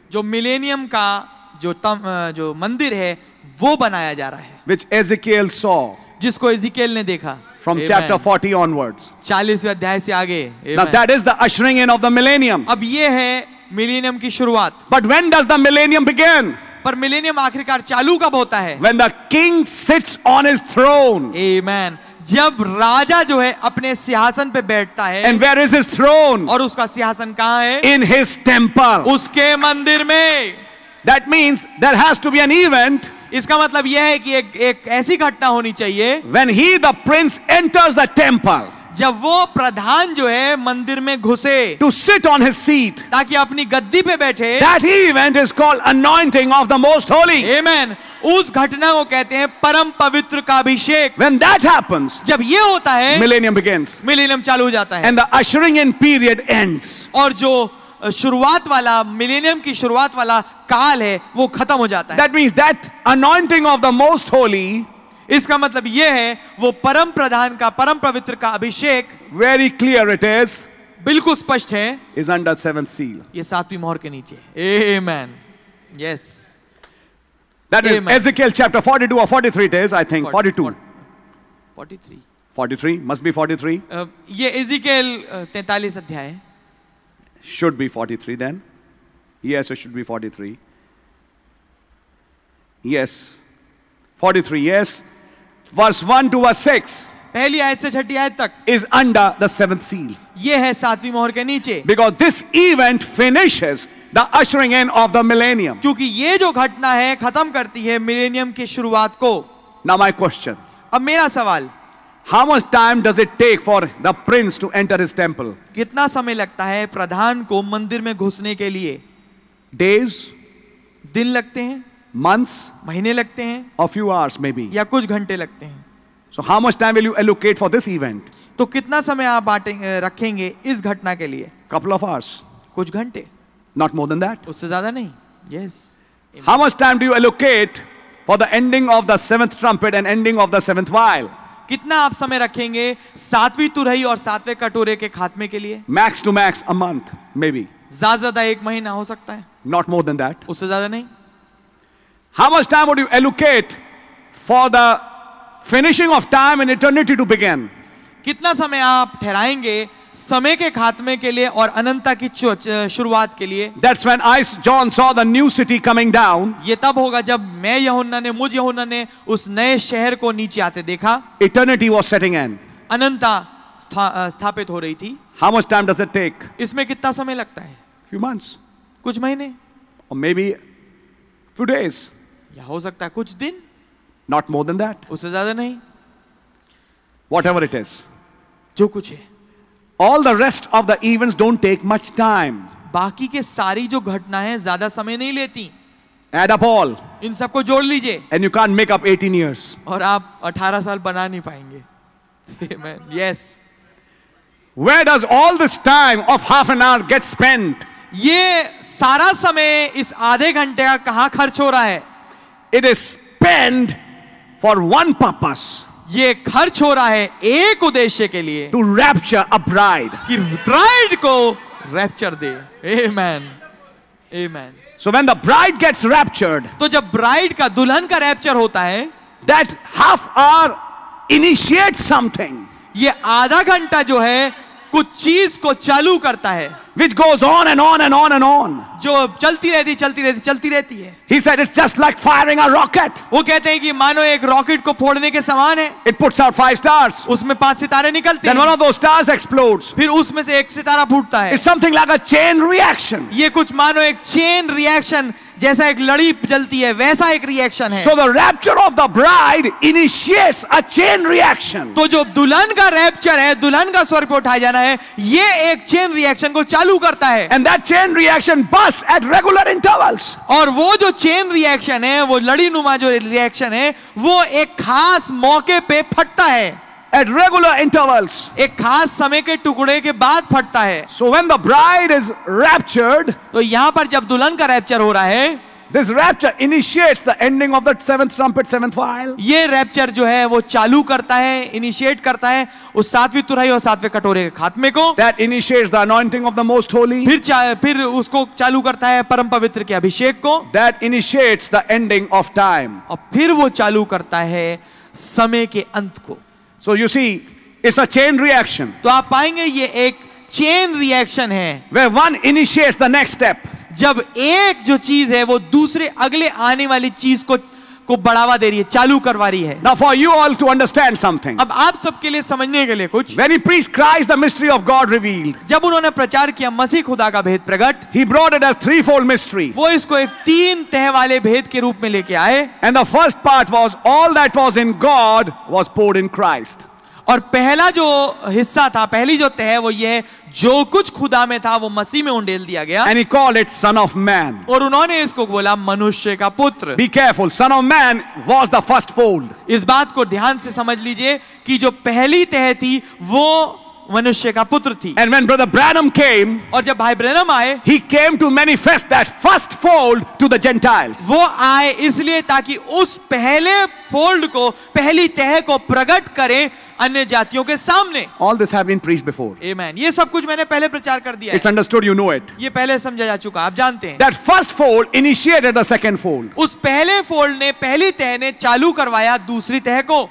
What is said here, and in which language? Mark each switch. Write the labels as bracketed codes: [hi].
[hi] जो millennium का जो मंदिर है वो बनाया जा रहा है। [en] Which Ezekiel saw. [hi] जिसको Ezekiel ने देखा। [en] From Amen. chapter 40 onwards. [hi] 40वें अध्याय से आगे। [en] Now that is the ushering in of the millennium. [hi] अब ये है millennium की शुरुआत। [en] But when does the millennium begin? [hi] पर millennium आखिरकार चालू कब होता है? [en] When the king sits on his throne. Amen. [hi] जब राजा जो है अपने सिंहासन पे बैठता है। [en] And where is his throne? [hi] और उसका सिंहासन कहाँ है? [en] In his temple. [hi] उसके मंदिर में। [en] That means there has to be an event. [hi] इसका मतलब यह है कि एक ऐसी घटना होनी चाहिए। [en] When he the prince enters the temple. [hi] जब वो प्रधान जो है मंदिर में घुसे। [en] To sit on his seat. [hi] ताकि अपनी गद्दी पे बैठे। [en] That event is called anointing of the most holy. Amen. [hi] उस घटना को कहते हैं परम पवित्र का अभिषेक। [en] When that happens. [hi] जब ये होता है। [en] Millennium begins. [hi] Millennium चालू हो जाता है। [en] And the ushering in period ends. [hi] और जो शुरुआत वाला मिलेनियम की शुरुआत वाला काल है वो खत्म हो जाता है. [en] That means that anointing of the most holy, [hi] इसका मतलब ये है वो परम प्रधान का परम पवित्र का अभिषेक. [en] Very clear it is. [hi] बिल्कुल स्पष्ट है. [en] Is under seventh seal. [hi] ये सातवीं मोहर के नीचे. Amen. Yes. [en] That is Amen. Ezekiel chapter 42 or 43 it is, I think. 42. 43. Must be 43. [hi] ये Ezekiel 43 अध्याय है. [en] Should be 43 then. Yes, it should be 43. Yes. 43, yes. Verse 1 to verse 6. [hi] पहली आयत से छठी आयत तक. [en] Is under the seventh seal. [hi] ये है सातवीं मोहर के नीचे. [en] Because this event finishes the ushering in of the millennium. [hi] क्योंकि ये जो घटना है खत्म करती है मिलेनियम की शुरुआत को. [en] Now my question. [hi] अब मेरा सवाल. [en] How much time does it take for the prince to enter his temple? [hi] कितना समय लगता है प्रधान को मंदिर में घुसने के लिए? [en] Days? [hi] दिन लगते हैं? [en] Months? [hi] महीने लगते हैं? [en] A few hours maybe. [hi] या कुछ घंटे लगते हैं? [en] So how much time will you allocate for this event? [hi] तो कितना समय आप रखेंगे इस घटना के लिए? [en] Couple of hours. [hi] कुछ घंटे. [en] Not more than that. [hi] उससे ज्यादा नहीं. Yes. [en] How much time do you allocate for the ending of the seventh trumpet and ending of the seventh vial? [hi] कितना आप समय रखेंगे सातवीं तुरही और सातवें कटोरे के खात्मे के लिए? [en] Max to max a month maybe. [hi] ज्यादा एक महीना हो सकता है. [en] Not more than that. [hi] उससे ज्यादा नहीं. [en] How much time would you allocate for the finishing of time and eternity to begin? [hi] कितना समय आप ठहराएंगे समय के खात्मे के लिए और अनंतता की शुरुआत के लिए? [en] That's when I John saw the new city coming down. [hi] ये तब होगा जब मैं यहोन्ना ने मुझ यहोन्ना ने उस नए शहर को नीचे आते देखा. [en] Eternity was setting in. [hi] अनंतता स्थापित हो रही थी. [en] How much time does it take? [hi] इसमें कितना समय लगता है? [en] Few months. [hi] कुछ महीने. [en] Or maybe few days. [hi] या हो सकता है कुछ दिन. [en] Not more than that. [hi] उससे ज्यादा नहीं. [en] Whatever it is. [hi] जो कुछ है. [en] All the rest of the events don't take much time. [hi] बाकी के सारी जो घटना है ज्यादा समय नहीं लेती. [en] Add up all. [hi] इन सबको जोड़ लीजिए. [en] And you can't make up 18 years. [hi] और आप 18 साल बना नहीं पाएंगे. [en] Amen. Yes. Where does all this time of half an hour get spent? [hi] ये सारा समय इस आधे घंटे का कहां खर्च हो रहा है? [en] It is spent for one purpose. [hi] ये खर्च हो रहा है एक उद्देश्य के लिए. [en] To rapture a bride. [hi] कि ब्राइड को rapture दे. Amen. Amen. [en] So when the bride gets raptured. [hi] तो जब ब्राइड का दुल्हन का रैप्चर होता है. [en] That half hour initiate something. [hi] ये आधा घंटा जो है कुछ चीज को चालू करता है. [en] Which goes on and on and on and on. [hi] जो चलती रहती चलती रहती चलती रहती है. [en] He said it's just like firing a rocket. [hi] वो कहते हैं कि मानो एक रॉकेट को फोड़ने के समान है. [en] It puts out five stars. [hi] उसमें पांच सितारे निकलते [en] हैं. Then one of those stars explodes. [hi] फिर उसमें से एक सितारा फूटता है. [en] It's something like a chain reaction. [hi] ये कुछ मानो एक chain reaction जैसा एक लड़ी चलती है वैसा एक रिएक्शन है. [en] So the rapture of the bride initiates a chain reaction. [hi] तो जो दुल्हन का रैप्चर है दुल्हन का स्वर्ग को उठाया जाना है ये एक चेन रिएक्शन को चालू करता है. [en] And that chain reaction busts at regular intervals. [hi] और वो जो चेन रिएक्शन है वो लड़ी नुमा जो रिएक्शन है वो एक खास मौके पे फटता है. [en] At regular intervals. [hi] एक खास समय के टुकड़े के बाद फटता है. [en] So when the bride is raptured, [hi] तो यहाँ पर जब दुल्हन का रैप्चर हो रहा है, [en] this rapture initiates the ending of the seventh trumpet, seventh vial. [hi] ये रैप्चर जो है वो चालू करता है इनिशिएट करता है उस सातवीं तुरही और सातवें कटोरे के खात्मे को. [en] That initiates the anointing of the most holy. [hi] फिर उसको चालू करता है परम पवित्र के अभिषेक को. [en] That initiates the ending of time. [hi] और फिर वो चालू करता है समय के अंत को. [en] So you see, it's a chain reaction. [hi] तो आप पाएंगे ये एक chain reaction है. [en] Where one initiates the next step. [hi] जब एक जो चीज है वो दूसरे अगले आने वाली चीज को बढ़ावा दे रही है चालू करवा रही है. [en] Now for you all to understand something. [hi] अब आप सबके लिए समझने के लिए कुछ. [en] When he preached Christ, the mystery of God revealed. [hi] जब उन्होंने प्रचार किया मसीह खुदा का भेद प्रकट. [en] He brought it as threefold mystery. [hi] वो इसको एक तीन तह वाले भेद के रूप में लेके आए. [en] And the first part was all that was in God was poured in Christ. [hi] और पहला जो हिस्सा था पहली जो तह वो ये जो कुछ खुदा में था वो मसीह में उंडेल दिया गया. [en] And he called it son of man. [hi] और उन्होंने इसको बोला मनुष्य का पुत्र. [en] Be careful, son of man was the first fold. [hi] इस बात को ध्यान से समझ लीजिए कि जो पहली तह थी वो मनुष्य का पुत्र थी. [en] And when brother Branham came, [hi] और जब भाई ब्रैनम आए, [en] he came to manifest that first fold to the Gentiles. [hi] वो आए इसलिए ताकि उस पहले फोल्ड को, पहली तह को प्रकट करें अन्य जातियों के सामने. [en] All this have been preached before. Amen. [hi] ये सब कुछ मैंने पहले प्रचार कर दिया. [en] It's understood, you know it. [hi] ये पहले समझा जा चुका, आप जानते हैं. [en] That first fold initiated the second fold. [hi] उस पहले फोल्ड ने, पहली तह ने चालू करवाया दूसरी तह को.